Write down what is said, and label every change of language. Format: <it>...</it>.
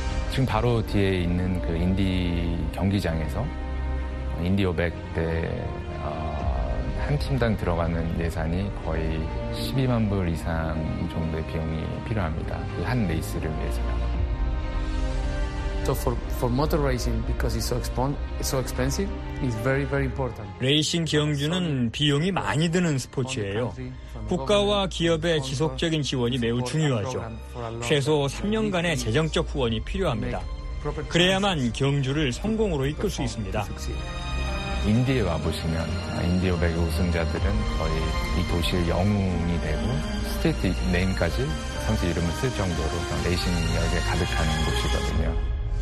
<ko>지금 바로 뒤에 있는 그 인디 경기장에서 인디 500 대 한 팀당 들어가는 예산이 거의 12만 불 이상 정도의 비용이 필요합니다. 그 한 레이스를 위해서요.</ko> <en>So for motor racing, because it's so expensive, it's very, very important.</en> <ko>레이싱 경주는 비용이 많이 드는 스포츠예요. 국가와 기업의 지속적인 지원이 매우 중요하죠. 최소 3년간의 재정적 후원이 필요합니다. 그래야만 경주를 성공으로 이끌 수 있습니다. 인디에 와보시면 인디 500의 우승자들은 거의 이 도시의 영웅이 되고 스테이트 네임까지 선수 이름을 쓸 정도로 레이싱 열기에 가득한 곳이거든요.</ko>